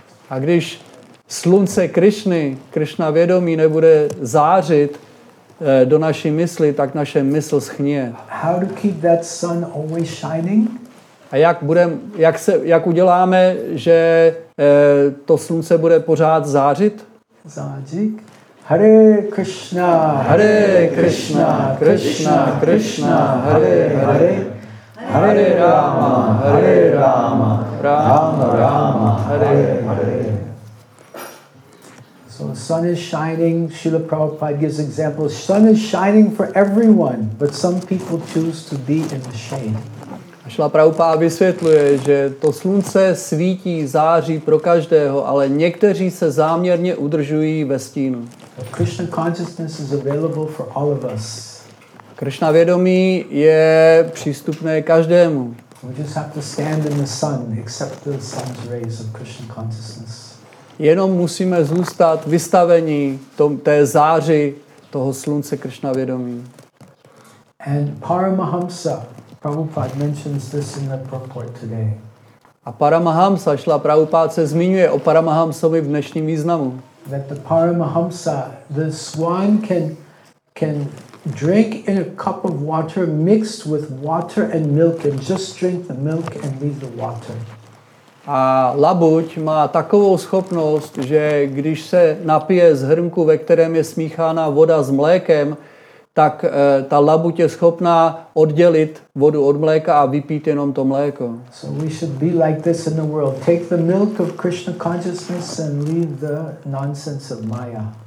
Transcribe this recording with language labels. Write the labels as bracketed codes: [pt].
[cs] A když slunce Krishny, Krishna vědomí nebude zářit do naší mysli, tak naše mysl schnije. [en] How to keep that sun always shining? [cs] A jak uděláme, že to slunce bude pořád zářit? Zářit. Hare Krishna. [sa] Hare Krishna. Krishna Krishna. Hare Hare. Hare Rama. Hare Rama. Rama Rama. Hare Hare. [en] So sun is shining. Srila Prabhupada gives examples. Sun is shining for everyone, but some people choose to be in the shade. [cs] Srila Prabhupada vysvětluje, že to slunce svítí, září pro každého, ale někteří se záměrně udržují ve stínu. [en] Krishna consciousness is available for all of us. [cs] Krishna vědomí je přístupné každému. [en] We just have to stand in the sun, accept the sun's rays of Krishna consciousness. [cs] Jenom musíme zůstat vystavení té záři toho slunce Krishna vědomí. [en] And Paramahamsa, Prabhupada mentions this in the purport today. [cs] A Paramahamsa, Šla Prabhupada se zmiňuje o Paramahamsovi v dnešním významu. [en] That the Paramahamsa, the swan can drink in a cup of water mixed with water and milk and just drink the milk and leave the water. [cs] A labuť má takovou schopnost, že když se napije z hrnku, ve kterém je smíchána voda s mlékem, tak ta labuť je schopná oddělit vodu od mléka a vypít jenom to mléko. [en] So we should be like this in the world. Take the milk of Krishna consciousness and leave the nonsense of Maya.